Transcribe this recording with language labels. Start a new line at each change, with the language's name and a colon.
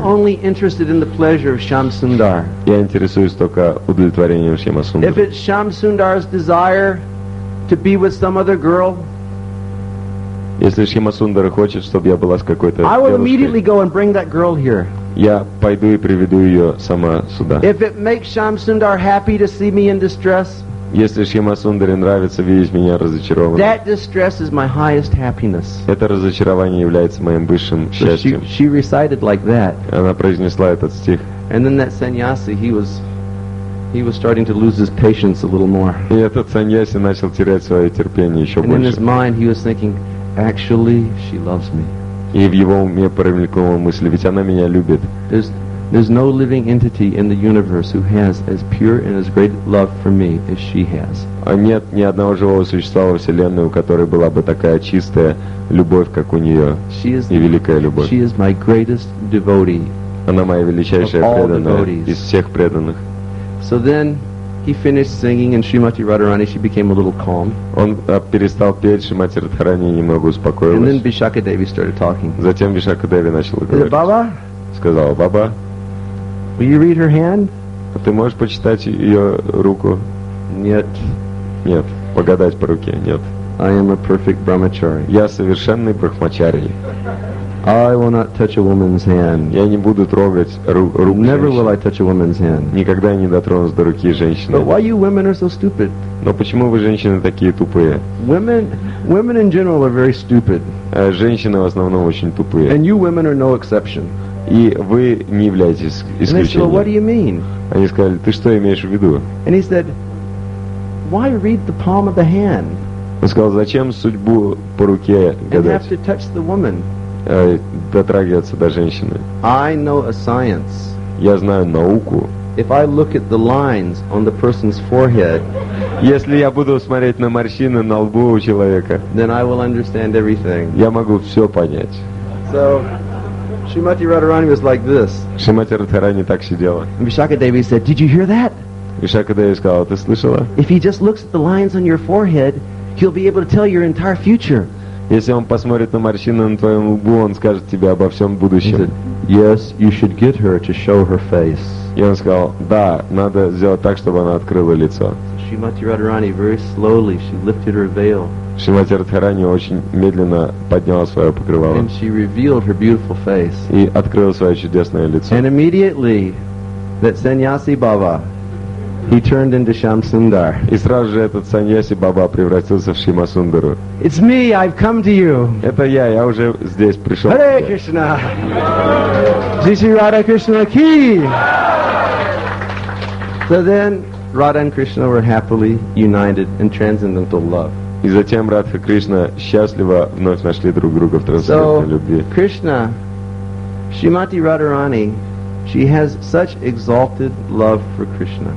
English: I'm only interested in the pleasure of Shyam Sundar.
Russian: Я интересуюсь только удовлетворением Шьяма Сундара.
English: If it's Shyam Sundar's desire to be with some other girl,
Russian: если Шьяма Сундара хочет, чтобы я была с какой-то девушкой,
English: I will immediately go and bring that girl here.
Russian: Я пойду и приведу ее сама сюда.
English: If it makes Shyam Sundar happy to see me in distress,
Russian: если Шьяма Сундаре нравится видеть меня разочарованным,
English: that distress is my highest happiness.
Russian: Это разочарование является моим высшим счастьем.
English: She recited like that.
Russian: Она произнесла этот стих.
English: And then that sannyasi, he was starting to lose his patience a little more.
Russian: И этот саньяси начал терять свое терпение еще больше.
English: And in his mind, he was thinking, actually, she loves me.
Russian: И в его уме промелькнула мысль, ведь она меня любит.
English: There's no living entity in the universe who has as pure and as great love for me as she has.
Russian: Нет ни одного живого существа во вселенной, у которой была бы такая чистая любовь, как у нее, и великая любовь.
English: She is my greatest devotee.
Russian: Она моя величайшая преданная из всех преданных.
English: So then he finished singing, and Srimati Radharani, she became a little calm.
Russian: Он перестал петь, Шримати Радхарани немного успокоилась.
English: And then Vishakhadevi started talking.
Russian: Затем Вишакхадеви начал говорить.
English: Baba.
Russian: Сказал, Баба,
English: will you read her hand?
Russian: А ты можешь почитать ее руку? Нет. Нет. Погадать по руке? Нет.
English: I am a perfect brahmachari.
Russian: Я совершенный брахмачарий.
English: I will not touch a woman's hand.
Russian: Я не буду трогать руку.
English: Never will I touch a woman's hand.
Russian: Никогда не дотронусь до руки женщины.
English: But why you women are so stupid?
Russian: Но почему вы женщины такие тупые?
English: Women in general are very stupid.
Russian: Женщины в основном очень тупые.
English: And you women are no exception.
Russian: И вы не являетесь исключением. Они сказали, ты что имеешь в виду?
English: And he said, why read the palm of the hand?
Russian: Он сказал, зачем судьбу по руке гадать?
English: And have to touch the woman.
Russian: Дотрагиваться до женщины.
English: I know a science.
Russian: Я знаю науку.
English: If I look at the lines on the person's forehead,
Russian: если я буду смотреть на морщины на лбу у человека,
English: then I will understand everything.
Russian: Я могу все понять.
English: So, Srimati Radharani was like this.
Russian: Srimati Radharani так сидела.
English: And Vishakhadevi said, did you hear that?
Russian: Vishakhadevi сказала, ты слышала?
English: If he just looks at the lines on your forehead, he'll be able to tell your entire future.
Russian: Если он посмотрит на морщины на твоем лбу, он скажет тебе обо всем будущем.
English: He said, yes, you should get her to show her face.
Russian: И он сказал, да, надо сделать так, чтобы она открыла лицо.
English: Srimati Radharani, very slowly, she lifted her veil.
Russian: Шримати Радхарани очень медленно подняла свое покрывало.
English: And she revealed her beautiful face.
Russian: И открыла свое чудесное лицо.
English: And immediately, that sannyasi baba, he turned into Shyam Sundar.
Russian: И сразу же этот саньяси баба превратился в Шьяма Сундару.
English: It's me, I've come to you.
Russian: Это я уже здесь пришел.
Hindi: Hare Krishna! Jishri Radha Krishna ki!
English: So then, Radha and Krishna were happily united in transcendental love.
Russian: И затем Радха и Кришна счастливо вновь нашли друг друга в трансцендентной любви.
English: So, Krishna, Srimati Radharani, she has such exalted love for Krishna.